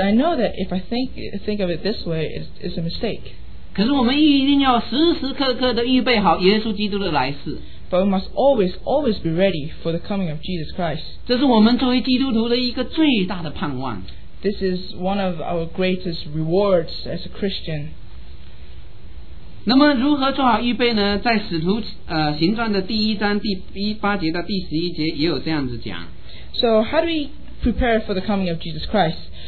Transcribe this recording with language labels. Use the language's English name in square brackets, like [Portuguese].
[English] I know that if I think of it this way, it's a mistake. [Chinese] 可是我们一定要时时刻刻地预备好耶稣基督的来世。 [English] But we must always be ready for the coming of Jesus Christ. [Chinese] 这是我们作为基督徒的一个最大的盼望。 [English] This is one of our greatest rewards as a Christian. [Chinese] 那么如何做好预备呢？在使徒行传的第一章第八节到第十一节也有这样子讲。 [English] So how do we prepare for the coming of Jesus Christ?